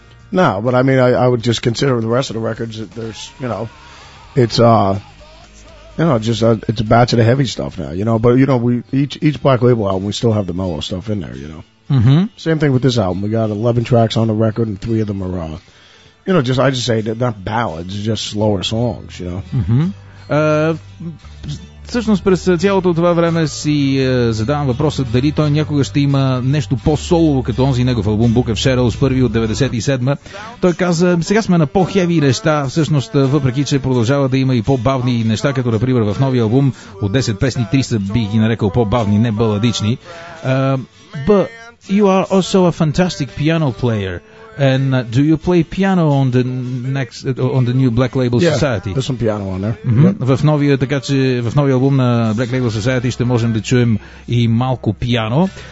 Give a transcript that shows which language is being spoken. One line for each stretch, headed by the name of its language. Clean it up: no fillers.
English: No, but I mean, I would just consider the rest of the records that there's, you know, it's, you know, just it's a batch of the heavy stuff now, you know. But, you know, we each Black Label album, we still have the mellow stuff in there, you know. Mm-hmm. Same thing with this album. We got 11 tracks on the record and 3 of them are, you know, just, I just say, not ballads, just slower songs, you know. Mm-hmm.
Bulgarian: Всъщност през цялото това време си задавам въпроса дали той някога ще има нещо по-солово като онзи негов албум Book of Shadows, първи от 97-ма. Той каза, сега сме на по-хеви неща, всъщност въпреки, че продължава да има и по-бавни неща, като например в новия албум от 10 песни, 3 са би ги нарекал по-бавни, не баладични.
English: But you are also a fantastic piano player. And do you play piano on the next on the new Black Label Society? Yeah, there's some piano on there. Mm-hmm. Yep.
Bulgarian: В новия, така че, в новия албум на Black Label Society ще можем да чуем и малко пиано.